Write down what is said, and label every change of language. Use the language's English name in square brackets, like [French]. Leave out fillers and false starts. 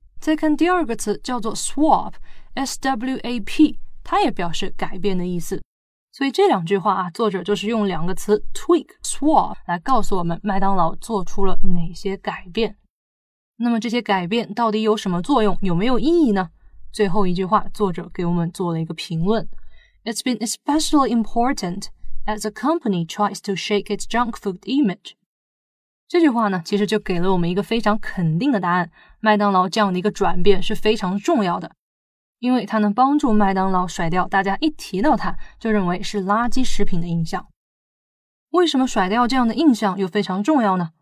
[Chinese] 再看第二个词叫做 swap, S-W-A-P, 它也表示改变的意思。所以这两句话啊，作者就是用两个词 tweak, swap, 来告诉我们麦当劳做出了哪些改变。那么这些改变到底有什么作用，有没有意义呢？最后一句话作者给我们做了一个评论。 [English] It's been especially important as the company tries to shake its junk food image. [Chinese] 这句话呢，其实就给了我们一个非常肯定的答案，麦当劳这样的一个转变是非常重要的，因为它能帮助麦当劳甩掉大家一提到它就认为是垃圾食品的印象。为什么甩掉这样的印象又非常重要呢？